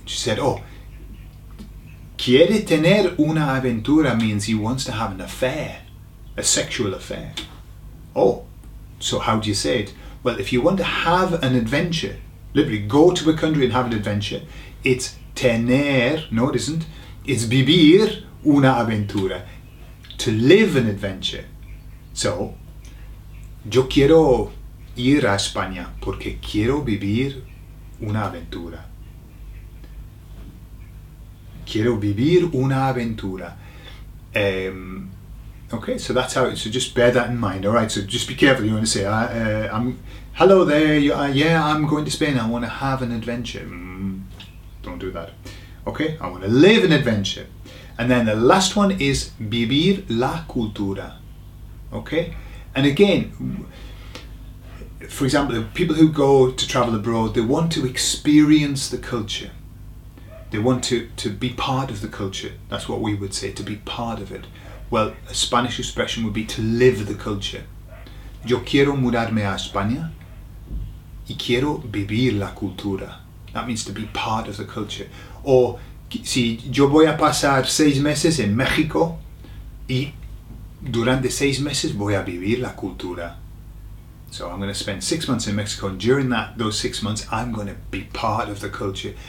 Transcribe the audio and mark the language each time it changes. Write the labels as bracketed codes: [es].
[en] She said, oh, [es] quiere tener una aventura [en] means he wants to have an affair, a sexual affair. Oh, so how do you say it? Well, if you want to have an adventure, literally go to a country and have an adventure, it's tener, no it isn't, it's [es] vivir una aventura, [en] to live an adventure. [es] So, yo quiero ir a España porque quiero vivir una aventura. Quiero vivir una aventura. [en] Okay, so that's how, so just bear that in mind, all right? So just be careful, you want to say, I'm, hello there, you are, yeah, I'm going to Spain, I want to have an adventure. Don't do that. Okay, I want to live an adventure. And then the last one is [es] vivir la cultura, [en] okay? And again, for example, the people who go to travel abroad, they want to experience the culture. They want to be part of the culture. That's what we would say, to be part of it. Well, a Spanish expression would be to live the culture. [es] Yo quiero mudarme a España y quiero vivir la cultura. [en] That means to be part of the culture. [es] Or, si yo voy a pasar 6 meses en México y durante 6 meses voy a vivir la cultura. [en] So I'm going to spend 6 months in Mexico, and during those six months, I'm going to be part of the culture.